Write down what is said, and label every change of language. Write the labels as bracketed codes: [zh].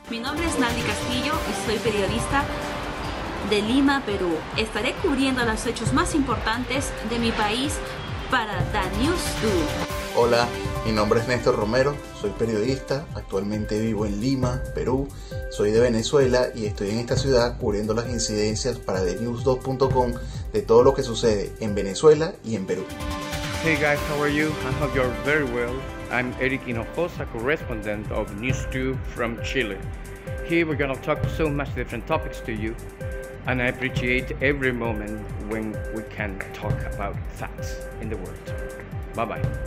[pt] Meu nome é Nadi Castillo e sou periodista de Lima, Peru. Estarei cobrindo os hechos mais importantes de meu país para The News 2. Olá, meu nome é Néstor Romero, sou periodista, atualmente vivo em Lima, Peru. [es] Soy de Venezuela y estoy en esta ciudad cubriendo las incidencias para TheNews2.com de todo lo que sucede en Venezuela y en Perú. [en] Hey guys, how are you? I hope you're very well. I'm Eric Hinojosa, correspondent of News 2 from Chile. Here we're going to talk so much different topics to you, and I appreciate every moment when we can talk about facts in the world. Bye-bye.